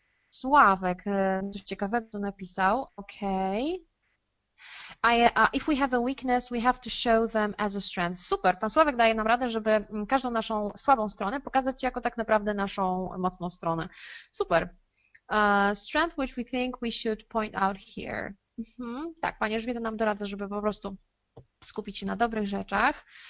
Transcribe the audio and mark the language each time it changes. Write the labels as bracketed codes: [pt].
[pl] Sławek, coś ciekawego tu napisał. Okej. Okay. [en] If we have a weakness, we have to show them as a strength. [pl] Super, pan Sławek daje nam radę, żeby każdą naszą słabą stronę pokazać jako tak naprawdę naszą mocną stronę. Super. [en] Strength, which we think we should point out here. Mm-hmm. [pl] Tak, pani Elżbieta nam doradza, żeby po prostu skupić się na dobrych rzeczach.